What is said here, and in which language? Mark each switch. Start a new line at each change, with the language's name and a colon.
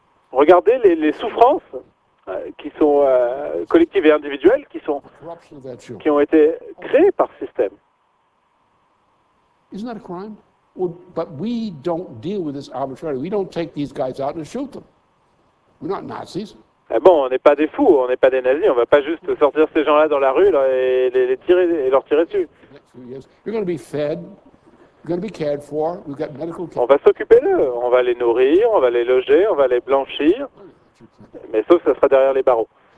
French: Regardez les souffrances qui sont collectives et individuelles qui ont été créées par ce système.
English: Isn't that a crime? Well, but we don't deal with this arbitrarily. We don't take these guys out and shoot them. We're not Nazis.
French: Eh bon, on n'est pas des fous, on n'est pas des nazis, on ne va pas juste sortir ces gens-là dans la rue là, et les tirer et leur tirer dessus. On va s'occuper d'eux, on va les nourrir, on va les loger, on va les blanchir, mais sauf que ça sera derrière les barreaux.